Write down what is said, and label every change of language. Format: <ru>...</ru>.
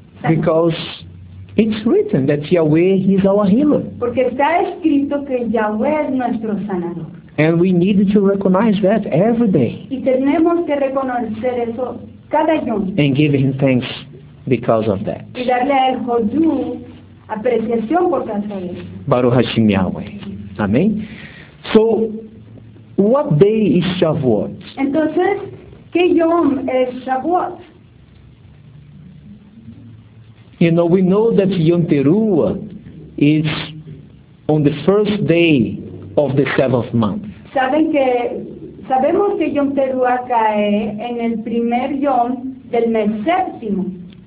<en>Because it's written that Yahweh is our healer.</en> <es>Porque está escrito que Yahweh es nuestro sanador.</es> <en>And we need to recognize that every day.</en> <es>Y tenemos que reconocer eso cada yom.</es> <en>And give Him thanks because of that.</en> <es>Y darle al Hodú apreciación por causa de eso.</es> <he>Baruch Hashem Yahweh. Amen.</he> <en>So, what day is Shavuot?</en> <es>Entonces, ¿qué yom es Shavuot?</es> <en>You know, we know that Yom Teruah is on the first day of the seventh month.</en> <es>¿Saben que, sabemos que Yom Teruah cae en el primer yom del mes séptimo?</es>